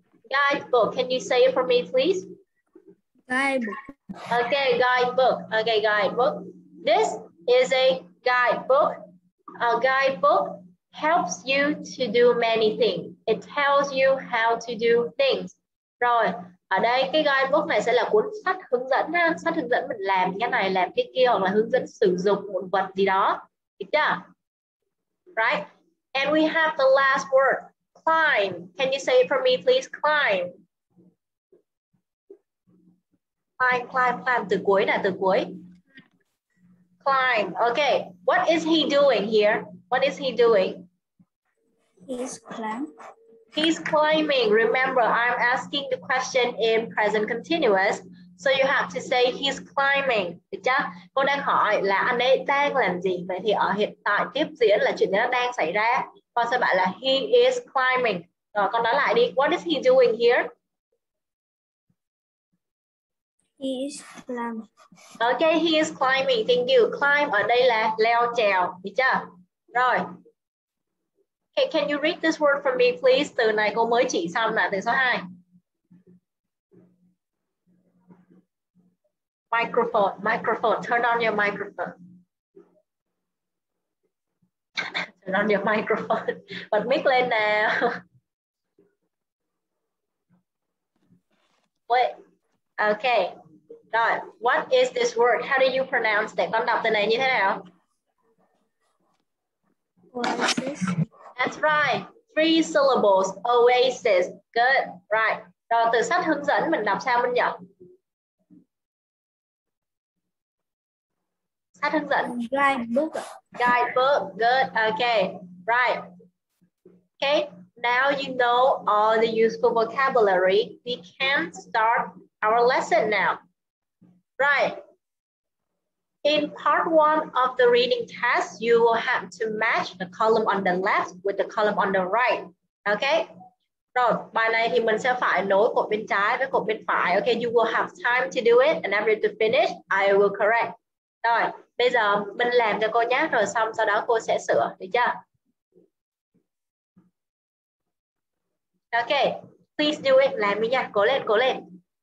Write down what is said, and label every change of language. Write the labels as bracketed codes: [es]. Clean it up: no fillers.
[en] Guidebook, can you say it for me, please? Guidebook. Okay, guidebook. Okay, guidebook. This is a guidebook. A guidebook helps you to do many things. It tells you how to do things. [vi] Rồi, ở đây cái guidebook này sẽ là cuốn sách hướng dẫn ha. Sách hướng dẫn mình làm cái này, làm cái kia hoặc là hướng dẫn sử dụng một vật gì đó. Được chưa? [en] Right? And we have the last word. Climb. Can you say it for me, please? Climb. Climb, climb, climb. [vi] Từ cuối nè, từ cuối. [en] Climb. Okay. What is he doing here? What is he doing? He's climbing. He's climbing. Remember, I'm asking the question in present continuous. So you have to say he's climbing. [vi] Được chưa? Cô đang hỏi là anh ấy đang làm gì? Vậy thì ở hiện tại tiếp diễn là chuyện đó đang xảy ra. Con sẽ bảo là [en] he is climbing. [vi] Rồi con nói lại đi. [en] What is he doing here? He is climbing. Okay, he is climbing. Thank you. [vi] Climb ở đây là leo trèo. Được chưa? Rồi. [en] Okay, can you read this word for me, please? [vi] Từ này cô mới chỉ xong là từ số 2. [en] Microphone, microphone. Turn on your microphone. Turn on your microphone. [vi] Bật mic lên nào. [en] Wait. Okay. Rồi, what is this word? How do you pronounce it? [vi] Con đọc tên này như thế nào? [en] Oasis. That's right. Three syllables. Oasis. Good. Right. [vi] Rồi, từ sách hướng dẫn mình đọc sao mình nhỉ? Sách hướng dẫn. [en] Guidebook. Guidebook. Good. Okay. Right. Okay. Now you know all the useful vocabulary. We can start our lesson now. Right. In part one of the reading test, you will have to match the column on the left with the column on the right. Okay. [vi] Rồi, bài này thì mình sẽ phải nối cột bên trái với cột bên phải. [en] Okay, you will have time to do it and after to finish, I will correct. [vi] Rồi, bây giờ mình làm cho cô nhé, rồi xong sau đó cô sẽ sửa, được chưa? [en] Okay, please do it, [vi] làm đi nha, cố lên, cố lên.